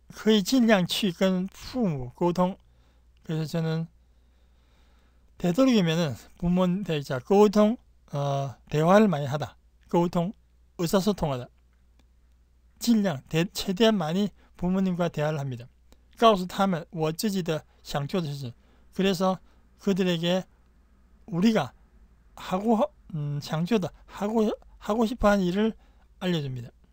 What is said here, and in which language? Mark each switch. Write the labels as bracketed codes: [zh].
[zh] 所以我觉得我们可以尽量去跟父母沟通. [ko] 그래서 저는 되도록이면은 부모님께 沟通, 대화를 많이 하다. 沟通, 의사소통하다. 尽量, 최대한 많이 부모님과 대화를 합니다. [zh] 告诉他们我自己的想做的事情. [ko] 그래서 그들에게 우리가 하고 싶어하는 일을 알려줍니다.